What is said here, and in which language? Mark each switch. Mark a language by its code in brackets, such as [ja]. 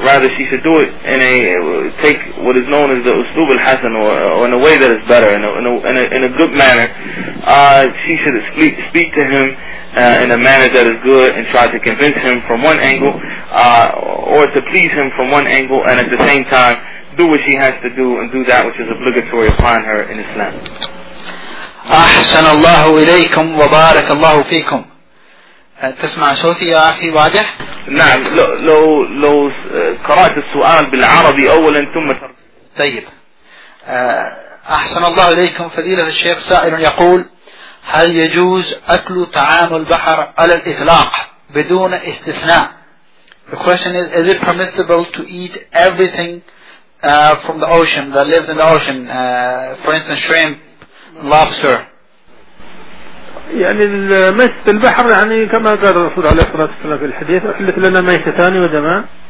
[en] Rather, she should do it in a take what is known as the uslub al-hasan, or in a way that is better, in a good manner. She should speak to him in a manner that is good and try to convince him from one angle, or to please him from one angle, and at the same time do what she has to do and do that which is obligatory upon her in Islam. [ar] أحسن الله إليكم وبارك الله فيكم. تسمع صوتي يا أخي واضح؟ نعم. لو قرأت السؤال بالعربي أولا ثم طيب. أحسن الله إليكم فضيلة الشيخ، سائل يقول هل يجوز أكل طعام البحر على الإطلاق بدون استثناء؟ [en] The question is it permissible to eat everything from the ocean that lives in the ocean, for instance shrimp, lobster. [ar] يعني المس في البحر يعني كما قال الرسول عليه الصلاة والسلام في الحديث أحلت لنا ميتتان ودماء،